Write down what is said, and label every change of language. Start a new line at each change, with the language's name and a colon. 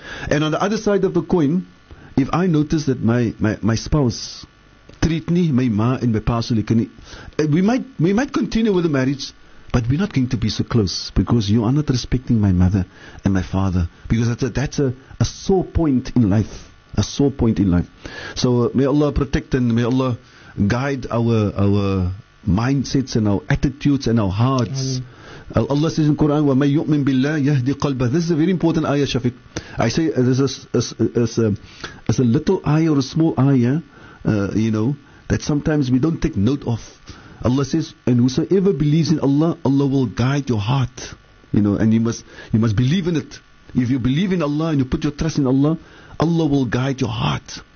English: And on the other side of the coin, if I notice that my spouse treat me, my ma and my pa, so we might continue with the marriage, but we're not going to be so close because you are not respecting my mother and my father. Because that's a sore point in life. A sore point in life. So may Allah protect and may Allah guide our mindsets and our attitudes and our hearts. Amen. Allah says in Quran,
Arabic: وَمَن يُؤْمِن بِاللَّهِ يَهْدِ قَلْبَهُ.
English: This is a very important ayah, Shafiq. I say this is a little ayah or a small ayah, you know, that sometimes we don't take note of. Allah says, and whosoever believes in Allah, Allah will guide your heart. You know, and you must believe in it. If you believe in Allah and you put your trust in Allah, Allah will guide your heart.